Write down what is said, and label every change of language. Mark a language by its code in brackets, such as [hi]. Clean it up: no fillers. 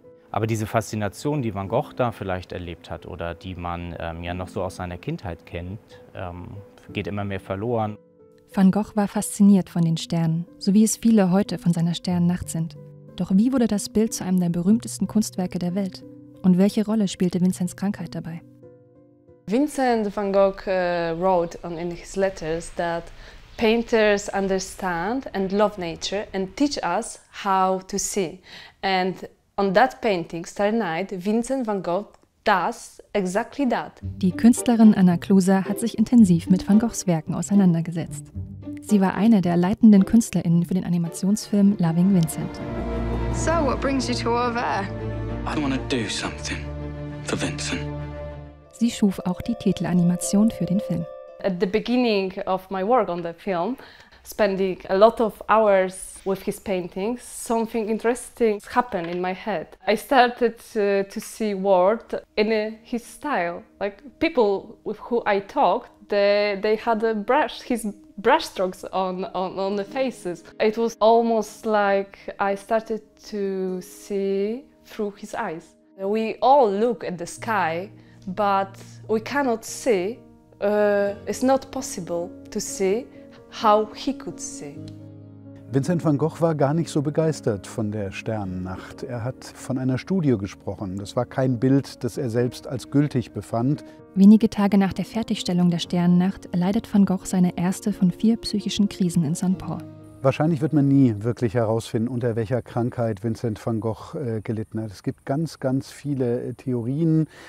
[de] Aber diese Faszination, die Van Gogh da vielleicht erlebt hat oder die man ja noch so aus seiner Kindheit kennt, geht immer mehr verloren. Van Gogh war fasziniert von den Sternen, so wie es viele heute von seiner Sternennacht sind. Doch wie wurde das Bild zu einem der berühmtesten Kunstwerke der Welt? Und welche Rolle spielte Vincents Krankheit dabei? [en] Vincent van Gogh wrote in his letters that painters understand and love nature and teach us how to see. And on that painting, Starry Night, Vincent van Gogh does exactly that. [de] Die Künstlerin Anna Kluser hat sich intensiv mit Van Goghs Werken auseinandergesetzt. Sie war eine der leitenden KünstlerInnen für den Animationsfilm Loving Vincent. [en] So, what brings you to Auvers? I want to do something for Vincent. [de] Sie schuf auch die Titelanimation für den Film. [en] At the beginning of my work on the film, spending a lot of hours with his paintings, something interesting happened in my head. I started to see world in his style. Like people with who I talked, they had a brush, his brush strokes on the faces. It was almost like I started to see through his eyes. We all look at the sky, but we cannot see, it's not possible to see how he could see. [de] Vincent van Gogh war gar nicht so begeistert von der Sternennacht. Er hat von einer Studio gesprochen. Das war kein Bild, das er selbst als gültig befand. Wenige Tage nach der Fertigstellung der Sternennacht erleidet van Gogh seine erste von vier psychischen Krisen in St. Paul. Wahrscheinlich wird man nie wirklich herausfinden, unter welcher Krankheit Vincent van Gogh gelitten hat. Es gibt ganz, ganz viele Theorien.